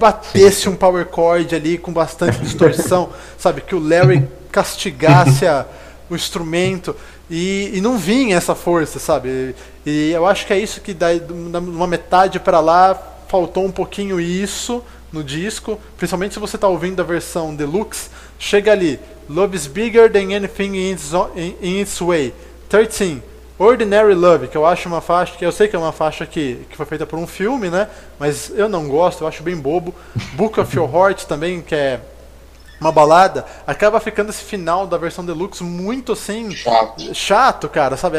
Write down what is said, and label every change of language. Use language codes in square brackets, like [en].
[pt] batesse um power chord ali com bastante distorção, sabe? Que o Larry castigasse o instrumento e não vinha essa força, sabe? E eu acho que é isso que dá uma metade para lá, faltou um pouquinho isso no disco, principalmente se você tá ouvindo a versão deluxe. Chega ali, [en] Love is bigger than anything in its way. [pt] 13, Ordinary Love, que eu acho uma faixa, que eu sei que é uma faixa que foi feita por um filme, né? Mas eu não gosto, eu acho bem bobo. Book of Your Heart também, que é uma balada, acaba ficando esse final da versão deluxe muito assim chato, cara, sabe?